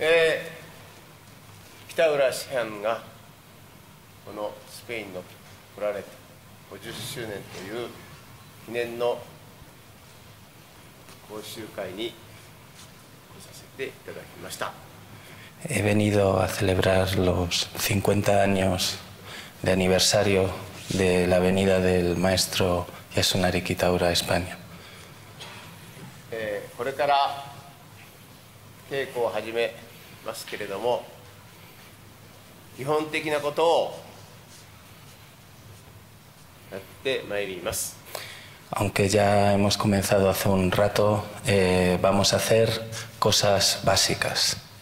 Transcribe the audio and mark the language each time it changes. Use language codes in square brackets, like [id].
[ja] シアンがこのスペインの来られて50周年という記念の講習会に来させていただきました。 [es] He venido a celebrar los 50 años de aniversario de la venida del maestro Jesús Ariquitaura a España. [ja] これから稽古を始めますけれども、基本的なことをやってまいります。 [es] Aunque ya hemos comenzado hace un rato, vamos a hacer cosas básicas.